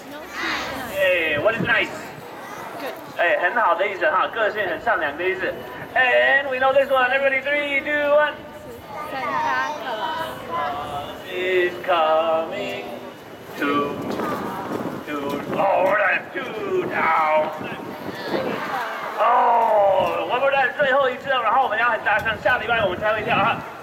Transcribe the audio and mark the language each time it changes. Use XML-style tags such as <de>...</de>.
<en>Naughty. What is naughty?</en> <zh>Hey, 很好的意思哈，个性很善良的意思。</zh> <en>And we know this one. Everybody, 3, 2, 1. Santa Claus is coming to all right, to town. Oh, one more time,</en> <zh>最后一次，然后我们要很大声，下礼拜我们才会跳哈。</zh>